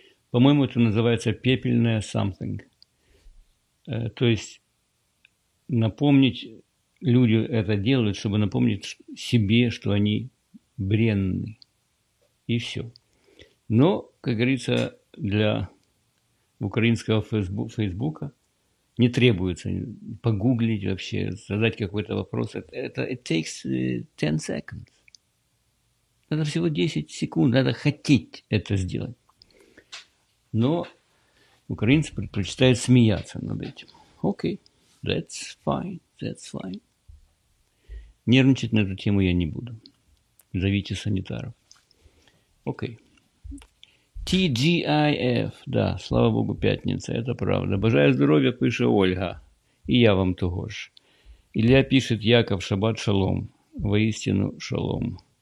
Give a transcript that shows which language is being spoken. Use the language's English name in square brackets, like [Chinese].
[Russian] По-моему, это называется пепельное something. То есть напомнить, люди это делают, чтобы напомнить себе, что они бренны. И все. Но, как говорится, для украинского Фейсбука не требуется погуглить вообще, задать какой-то вопрос. [English] Это it takes 10 seconds. [Russian] Это всего 10 секунд. Надо хотеть это сделать. Но украинцы предпочитают смеяться над этим. [English] Окей, that's fine, that's fine. [Russian] Нервничать на эту тему я не буду. Зовите санитаров. Окей. TGIF, да, слава богу, пятница, это правда. Бажаю здоровья, пишет Ольга, и я вам того ж. Илья пишет: Яков, шаббат шалом, воистину шалом.